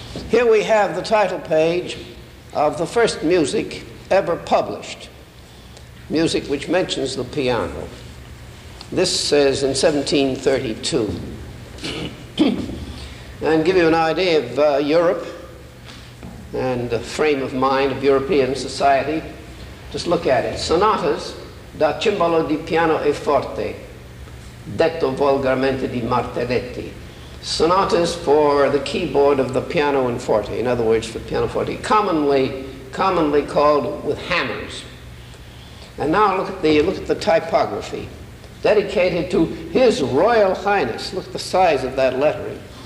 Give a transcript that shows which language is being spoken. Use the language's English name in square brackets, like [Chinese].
[English] Here we have the title page of the first music ever published, music which mentions the piano. This says in 1732. And give you an idea of Europe and the frame of mind of European society, just look at it. [Italian] Sonatas da cimbalo di piano e forte, detto volgarmente di martelletti. [English] Sonatas for the keyboard of the piano and forte, in other words, for pianoforte, commonly called with hammers. And now look at the typography. Dedicated to His Royal Highness, look at the size of that lettering.